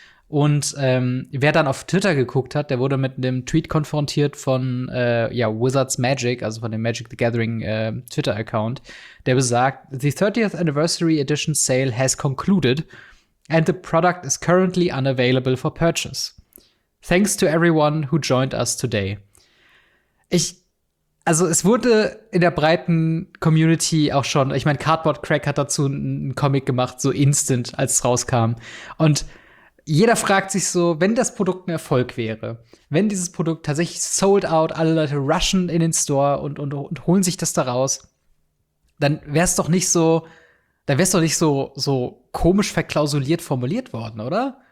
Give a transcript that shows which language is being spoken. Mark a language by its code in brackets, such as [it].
[de] Und wer dann auf Twitter geguckt hat, der wurde mit einem Tweet konfrontiert von Wizards Magic, also von dem Magic the Gathering Twitter-Account, der besagt, [en] the 30th Anniversary Edition Sale has concluded and the product is currently unavailable for purchase. Thanks to everyone who joined us today. [de] Also es wurde in der breiten Community auch schon, ich meine, Cardboard Crack hat dazu einen Comic gemacht, so instant, als es rauskam. Und jeder fragt sich so, wenn das Produkt ein Erfolg wäre, wenn dieses Produkt tatsächlich sold out, alle Leute rushen in den Store und holen sich das da raus, dann wär's doch nicht so, so komisch verklausuliert formuliert worden, oder?